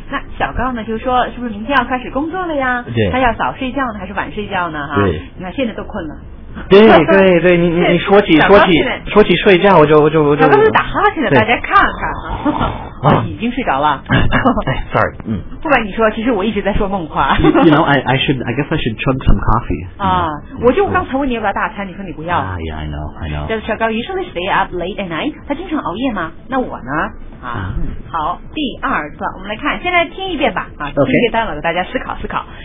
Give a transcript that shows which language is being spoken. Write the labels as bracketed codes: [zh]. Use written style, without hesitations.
[zh] 那小高呢就说是不是明天要开始工作了呀，对，他要早睡觉呢还是晚睡觉呢哈？对，你看现在都困了。对对对，你说起睡觉，我就小高是打哈欠的，大家看看，已经睡着了。 [en] Sorry, 嗯。 [zh] 不管你说，其实我一直在说梦话。 [en] You know, I guess I should chug some coffee. [zh] 啊，我就刚才问你要不要大餐，你说你不要。 [en] Yeah, I know. [zh] 但是小高 [en] usually stay up late at night. [zh] 他经常熬夜吗？那我呢？好，第二段我们来看，先来听一遍吧。啊，听一遍大脑给大家思考思考。